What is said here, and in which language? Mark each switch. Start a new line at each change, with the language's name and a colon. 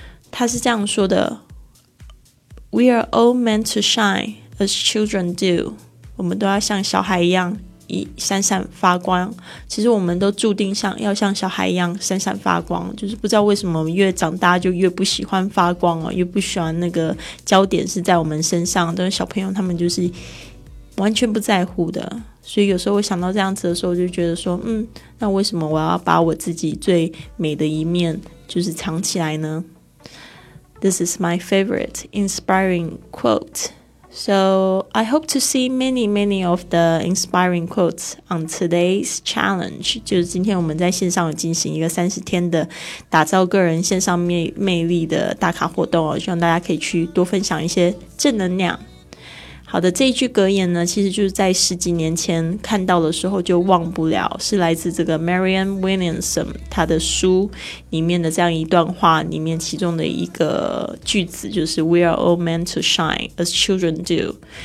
Chinese: 它是这样说的，
English: We are all meant to shine as children do，
Chinese: 我们都要像小孩一样闪闪发光，其实我们都注定要像小孩一样闪闪发光，就是不知道为什么越长大就越不喜欢发光了，越不喜欢那个焦点是在我们身上，但是小朋友他们就是完全不在乎的。所以有时候我想到这样子的时候，就觉得说那为什么我要把我自己最美的一面就是藏起来呢？
English: This is my favorite inspiring quote， So I hope to see many, many of the inspiring quotes on today's challenge.
Chinese: 就是今天我们在线上有进行一个30天的打造个人线上魅力的打卡活动，希望大家可以去多分享一些正能量。好的，这一句格言呢，其实就是在十几年前看到的时候就忘不了，是来自这个 Marianne Williamson 她的书里面的这样一段话里面其中的一个句子，就是
English: We are all meant to shine as children do。